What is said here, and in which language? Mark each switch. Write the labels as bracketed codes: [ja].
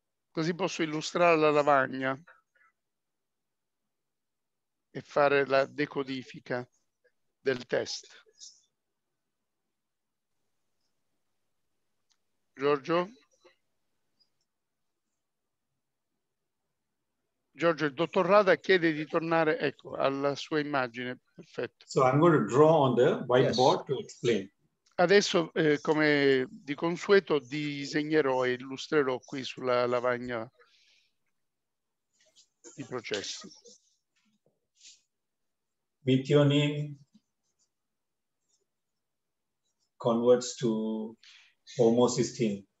[it] Così posso illustrare la lavagna e fare la decodifica del test. Giorgio? Giorgio, il dottor Rada chiede di tornare, ecco, alla sua immagine. Perfetto. [en] So I'm going to draw on the whiteboard, yes, to explain. [it] Adesso, come di consueto, disegnerò e illustrerò qui sulla lavagna i processi. [en] With your name, converts to homocysteine.